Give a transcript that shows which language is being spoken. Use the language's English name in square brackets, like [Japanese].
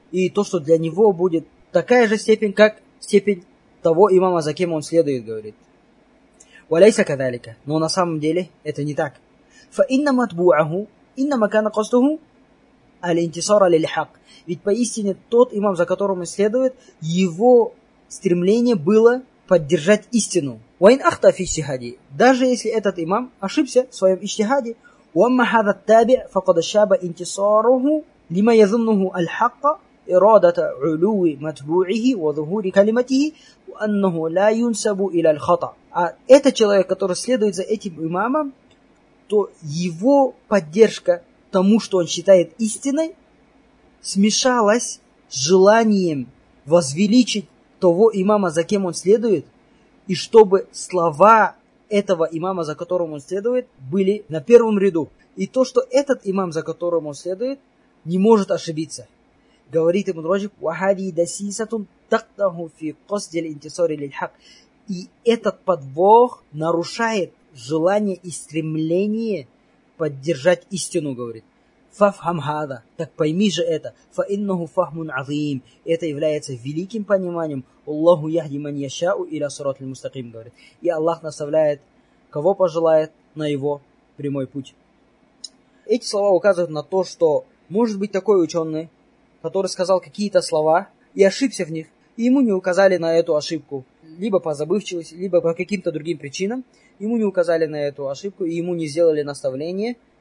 [Russian] И то, что для него будет такая же степень, как степень того имама, за кем он следует, говорит. [Arabic] Валяйся кадалика. [Russian] Но на самом деле это не так. [Arabic] فإن متبوعه إنما كان قصده الانتصار للحق. [Russian] Ведь поистине тот имам, за которым он следует, его стремление было поддержать истину. [Arabic] وإن أخطأ في اجتهاده, [Russian] даже если этот имам ошибся в своем اجتهاде, [Arabic] وأما هذا التابع فقد شاب انتصاره لما يظنه الحق إرادة علو متبوعه وظهور كلمته وأنه لا ينسب إلى الخطأ. [Russian] А этот человек, который следует за этим имамом, то его поддержка тому, что он считает истиной, смешалась с желанием возвеличить того имама, за кем он следует, и чтобы слова этого имама, за которым он следует, были на первом ряду. И то, что этот имам, за которым он следует, не может ошибиться. Говорит Ибн Раджиб, [Arabic] وَهَذِي دَسِيسَةٌ تَقْتَهُ فِي قَصْدِ الْإِنْتِصَارِ لِلْحَقِّ. [Russian] И этот подвох нарушает желание и стремление поддержать истину, говорит. [Arabic] فَفْهَمْ هَذَا. [Russian] Так пойми же это. [Arabic] فَإِنَّهُ فَهْمٌ عَظِيمٌ. [Russian] Это является великим пониманием. [Arabic] اللَّهُ يَهْدِي مَنْ يَشَاءُ إِلَى صِرَاطِ الْمُسْتَقِيمِ, [Russian] говорит. И Аллах наставляет, кого пожелает, на его прямой путь. Эти слова указывают на то, что может быть такой ученый, который сказал какие-то слова и ошибся в них, и ему не указали на эту ошибку, либо по забывчивости, либо по каким-то другим причинам, ему не указали на эту ошибку, и ему не сделали наставление,